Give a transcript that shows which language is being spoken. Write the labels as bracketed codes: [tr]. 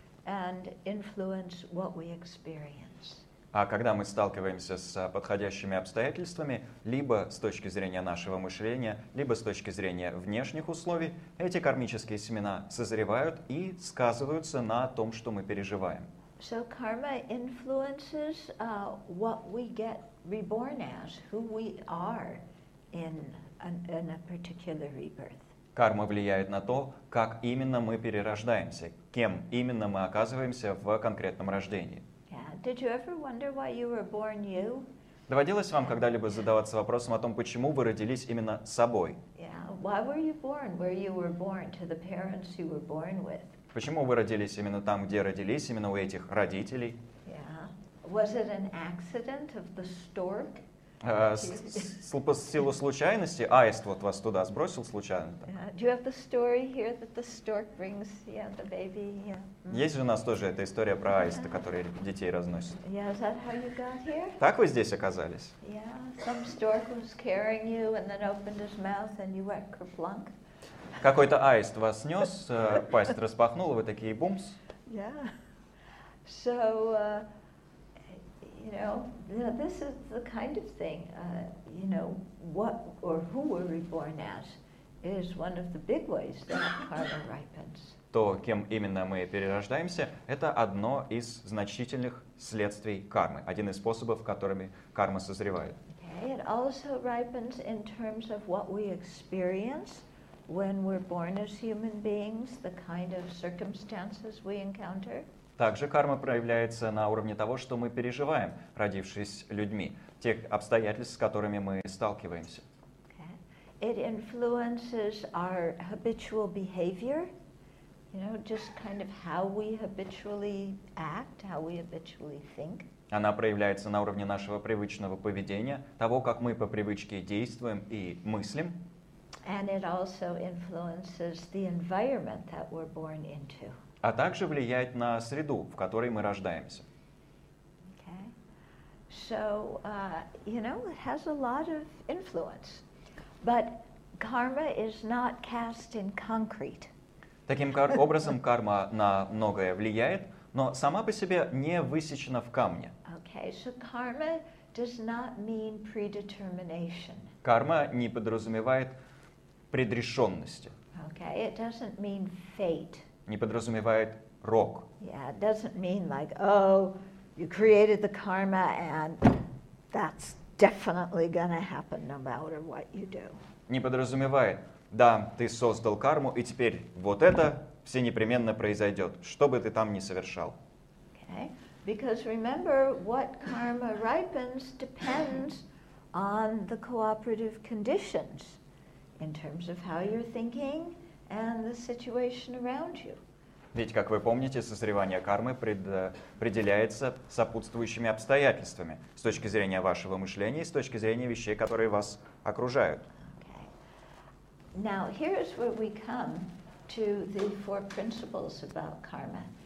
[en] and influence what we experience. [ru] А когда мы сталкиваемся с подходящими обстоятельствами, либо с точки зрения нашего мышления, либо с точки зрения внешних условий, эти кармические семена созревают и сказываются на том, что мы переживаем. [en] So karma influences what we get reborn as, who we are in a particular rebirth. [ru] Карма влияет на то, как именно мы перерождаемся, кем именно мы оказываемся в конкретном рождении. [en] Did you ever wonder why you were born you? [ru] Доводилось вам когда-либо задаваться вопросом о том, почему вы родились именно собой? [en] Yeah. Why were you born where you were born to the parents you were born with? [ru] Почему вы родились именно там, где родились, именно у этих родителей? [en] Yeah. Was it an accident of the stork? [ru] По силу случайности аист вот вас туда сбросил случайно. [en] Yeah. Do you have the story here that the stork brings yeah, the baby? Yeah. Mm-hmm. [ru] Есть же у нас тоже эта история про аиста, который детей разносит. [en] Yeah, is that how you got here? [ru] Так вы здесь оказались? [en] Yeah, some stork was carrying you and then opened his mouth and you went kerplunk. [ru] Какой-то аист вас нес, пасть распахнул, вы такие бумс. [en] Yeah. So, you know, this is the kind of thing, you know, what or who we're reborn as is one of the big ways that karma ripens. [ru] То, кем именно мы перерождаемся, это одно из значительных следствий кармы, один из способов, которыми карма созревает. [en] Okay, it also ripens in terms of what we experience when we're born as human beings, the kind of circumstances we encounter. [ru] Также карма проявляется на уровне того, что мы переживаем, родившись людьми, тех обстоятельств, с которыми мы сталкиваемся. [en] Okay. It influences our habitual behavior, you know, just kind of how we habitually act, how we habitually think. [ru] Она проявляется на уровне нашего привычного поведения, того, как мы по привычке действуем и мыслим. [en] And it also influences the environment that we're born into. [ru] А также влияет на среду, в которой мы рождаемся. [en] Okay. So, you know, it has a lot of influence. But karma is not cast in concrete. [ru] Таким образом, карма на многое влияет, но сама по себе не высечена в камне. [en] Okay, so karma does not mean predetermination. [ru] Карма не подразумевает предрешенности. [en] Okay, it doesn't mean fate. [ru] Не подразумевает рок. [en] Yeah, it doesn't mean like, oh, you created the karma and that's definitely gonna happen no matter what you do. [ru] Не подразумевает, да, ты создал карму, и теперь вот это все непременно произойдет, что бы ты там ни совершал. [en] Okay, because remember, what karma ripens depends on the cooperative conditions in terms of how you're thinking and the situation around you. [ru] Ведь, как вы помните, созревание кармы определяется сопутствующими обстоятельствами с точки зрения вашего мышления и с точки зрения вещей, которые вас окружают. [en] Okay. Now, here's where we come to the four principles about karma.